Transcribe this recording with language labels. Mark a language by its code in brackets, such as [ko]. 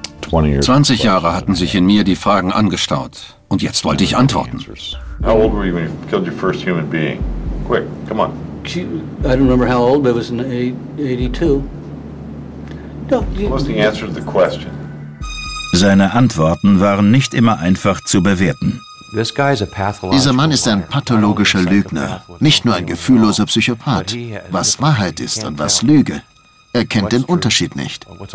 [de] 20 Jahre hatten sich in mir die Fragen angestaut. Und jetzt wollte ich antworten. [en] How old were you when you killed your first human being? Quick, come on. I don't remember how old, but it was in 82. What was the answer to the question? [de] Seine Antworten waren nicht immer einfach zu bewerten. Dieser Mann ist ein pathologischer Lügner, nicht nur ein gefühlloser Psychopath. Was Wahrheit ist und was Lüge, er kennt den Unterschied nicht.